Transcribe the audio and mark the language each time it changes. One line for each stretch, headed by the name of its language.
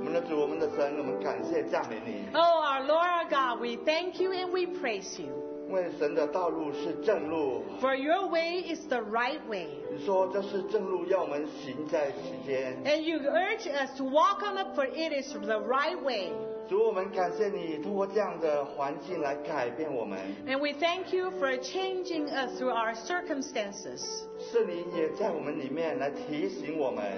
Chinese: 我们的神, 我们感谢赞美你。
English: Oh, our Lord, our God, we thank you and we praise you.
Chinese: 因为神的道路是正路。
English: For your way is the right way.
Chinese: 你说这是正路，要我们行在其间。
English: And you urge us to walk on it, for it is the right way.
Chinese: 主，我们感谢你通过这样的环境来改变我们。
English: And we thank you for changing us through our circumstances.
Chinese: 圣灵也在我们里面来提醒我们。